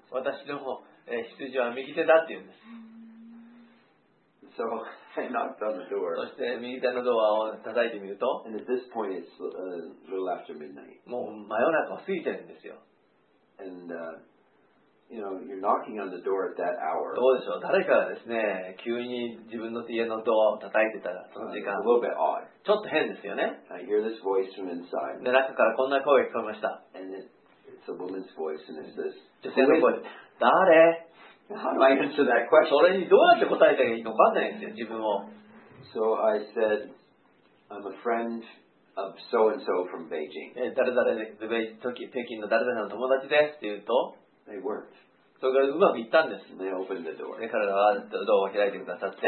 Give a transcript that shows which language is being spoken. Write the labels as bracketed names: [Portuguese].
[Japanese] 私の羊は右手だって言うんです。 [English] So I knocked on the door. [Japanese] そして右手のドアを叩いてみると, [English] and at this point it's a little after midnight. [Japanese] もう真夜中を過ぎてるんですよ. [English] And you know, you're knocking on the door at that hour. [Japanese] どうでしょう、誰かがですね、急に自分の家のドアを叩いてたら、その時間. [English] A little bit odd. [Japanese] ちょっと変ですよね. [English] I hear this voice from inside. [Japanese] で、中からこんな声が聞こえました. [English] And it's a woman's voice, and it's this. [Japanese] 女性の声。誰? [English] How do I answer that question? [Japanese] それにどうやって答えたらいいのか分かんないんですよ、自分を。 [English] So I said, I'm a friend of so and so from Beijing. [Japanese] 誰々の、北京の誰々の友達ですって言うと、 [English] They worked. [Japanese] それからうまくいったんです。 [English] They opened the door. [Japanese] で、彼らはドアを開いてくださって、